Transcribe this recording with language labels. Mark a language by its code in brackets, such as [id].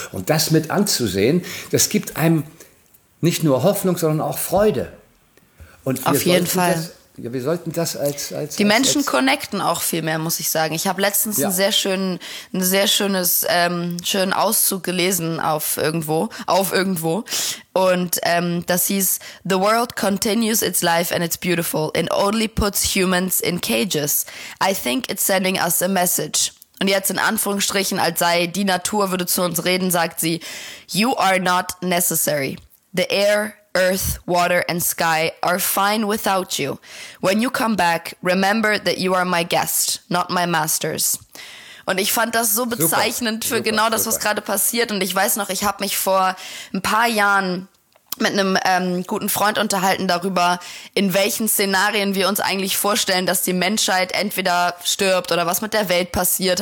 [de] Und das mit anzusehen, das gibt einem nicht nur Hoffnung, sondern auch Freude. Und auf jeden Fall. Ja, wir sollten das als die Menschen als connecten auch viel mehr, muss ich sagen. Ich habe letztens einen sehr schönen Auszug gelesen auf irgendwo. Und das hieß, [en] the world continues its life and it's beautiful. It only puts humans in cages. I think it's sending us a message. [de] Und jetzt in Anführungsstrichen, als sei die Natur, würde zu uns reden, sagt sie, [en] you are not necessary. The air, earth, water and sky are fine without you. When you come back, remember that you are my guest, not my masters. [de] Und ich fand das so bezeichnend für was gerade passiert. Und ich weiß noch, ich habe mich vor ein paar Jahren mit einem guten Freund unterhalten darüber, in welchen Szenarien wir uns eigentlich vorstellen, dass die Menschheit entweder stirbt oder was mit der Welt passiert.